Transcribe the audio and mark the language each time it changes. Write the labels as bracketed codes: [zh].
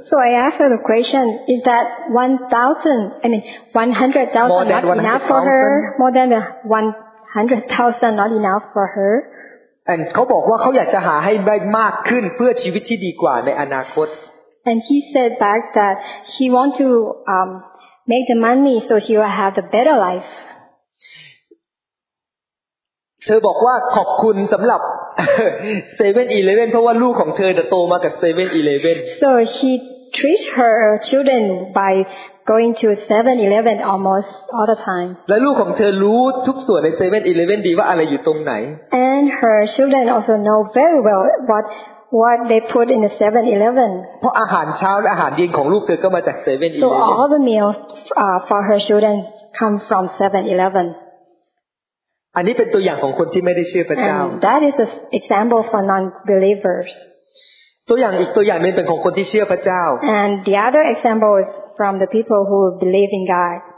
[en] So I asked her the question: Is that 1,000? I mean, 100,000 not enough for her? More than 100,000 not enough for her? [th] And เขาบอกว่าเขาอยากจะหาให้ได้มากขึ้นเพื่อชีวิตที่ดีกว่าในอนาคต [en] And he said back that he want to make the money so she will have a better life. [th] เธอบอกว่าขอบคุณสำหรับ 7-Eleven เพราะว่าลูกของเธอโตมากับ 7-Eleven. [en] So she treat her children by going to 7-Eleven almost all the time. [th] และลูกของเธอรู้ทุกส่วนใน 7-Eleven ดีว่าอะไรอยู่ตรงไหน [en] And her children also know very well what they put in the 7-Eleven. [th] เพราะอาหารเช้าและอาหารเย็นของลูกเธอก็มาจาก 7-Eleven. [en] So all the meals for her children come from 7-Eleven. [th] อันนี้เป็นตัวอย่างของคนที่ไม่ได้เชื่อพระเจ้า [en] And that is an example for non-believers. [th] ตัวอย่างอีกตัวอย่างนึงเป็นของคนที่เชื่อพระเจ้า [en] And the other example is from the people who believe in God.